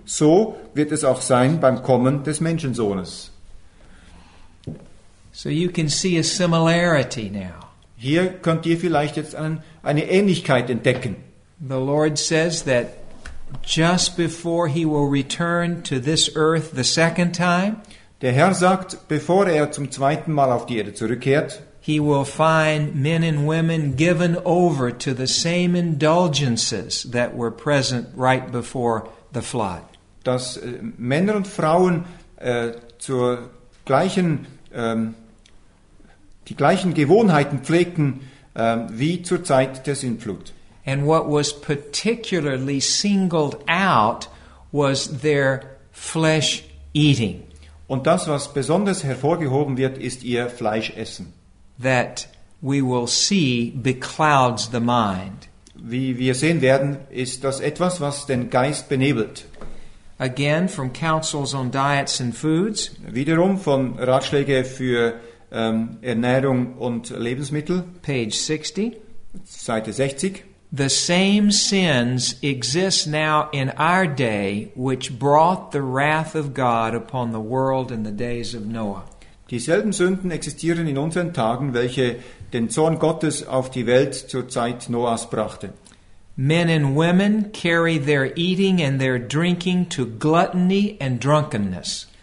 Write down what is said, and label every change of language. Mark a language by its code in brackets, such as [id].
[de] So wird es auch sein beim Kommen des Menschensohnes. [en] So you can see a similarity now. [de] Hier könnt ihr vielleicht jetzt eine Ähnlichkeit entdecken. [en] The Lord says that just before he will return to this earth the second time, [de] der Herr sagt, bevor er zum zweiten Mal auf die Erde zurückkehrt, [en] he will find men and women given over to the same indulgences that were present right before the flood. [de] Dass Männer und Frauen zur gleichen die gleichen Gewohnheiten pflegten wie zur Zeit der Sintflut. [en] And what was particularly singled out was their flesh eating. [de] Und das, was besonders hervorgehoben wird, ist ihr Fleischessen. [en] That we will see beclouds the mind. [de] Wie wir sehen werden, ist das etwas, was den Geist benebelt. [en] Again, from Councils on Diets and Foods. [de] Wiederum von Ratschläge für Ernährung und Lebensmittel. [en] Page 60. [de] Seite 60. [en] The same sins exist now in our day which brought the wrath of God upon the world in the days of Noah. [de] Dieselben Sünden existieren in unseren Tagen, welche den Zorn Gottes auf die Welt zur Zeit Noahs brachte. [en] Men and women carry their eating and their drinking to gluttony and drunkenness.